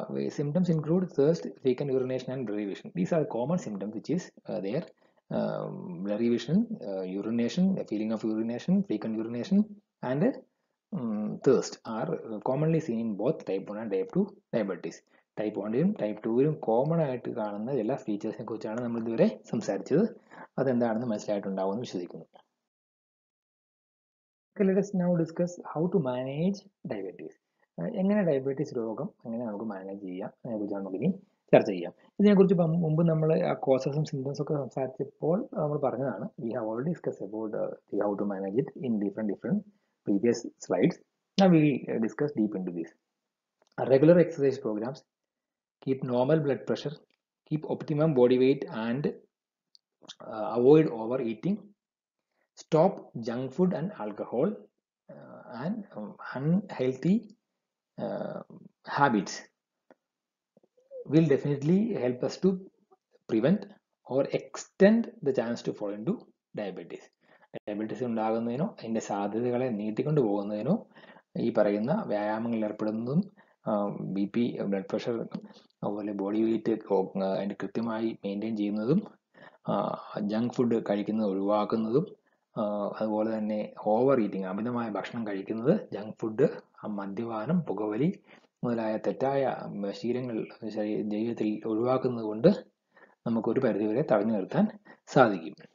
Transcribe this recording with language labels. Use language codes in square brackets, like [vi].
[en] Symptoms include thirst, frequent urination, and blurry vision. These are common symptoms which is there. blurry vision, urination, a feeling of urination, frequent urination, and thirst are commonly seen in both type 1 and type 2 diabetes. [ml] Type 1 ഇലും type 2 ഇലും common ആയിട്ട് കാണുന്ന എല്ലാ ഫീച്ചേഴ്സിനെ കുറിച്ചാണ് നമ്മൾ ഇതുവരെ സംസാരിച്ചത്. അതെന്താണെന്ന് മനസ്സിലായിട്ടുണ്ടാവും എന്ന് വിശ്വസിക്കുന്നു. [en] Okay, let us now discuss how to manage diabetes. [ml] എങ്ങനെ ഡയബറ്റീസ് രോഗം എങ്ങനെ നമുക്ക് മാനേജ് ചെയ്യാം അതിനെ കുറിച്ചാണ് നമുക്ക് ഇനി ചർച്ച ചെയ്യാം. ഇതിനെക്കുറിച്ച് മുമ്പ് നമ്മൾ ആ കോസസും സിംറ്റംസും ഒക്കെ സംസാരിച്ചപ്പോൾ നമ്മൾ പറഞ്ഞതാണ് [en] We have already discuss about how to manage it in different previous slides. Now we discuss deep into these. Regular exercise programs, keep normal blood pressure, keep optimum body weight and avoid over eating, stop junk food and alcohol and unhealthy habits will definitely help us to prevent or extend the chance to fall into diabetes. [ml] Diabetes undagunnadino inde sadhyathakale neetikondu pogunnadino ee parayna vyayamangal erpadunnadum bp blood pressure avale body weight and krithyamayi maintain cheyunnadum junk food kalikkunnadu olivaakkunnadum അതുപോലെ തന്നെ over eating അമിതമായ ഭക്ഷണം കഴിക്കുന്നത്, junk food, മദ്യപാനം, പുകവലി മുതലായ തെറ്റായ ശീലങ്ങൾ ജീവിതത്തിൽ ഒഴിവാക്കുന്നത് കൊണ്ട് നമുക്കൊരു പരിധിവരെ തടഞ്ഞു നിർത്താൻ സാധിക്കും.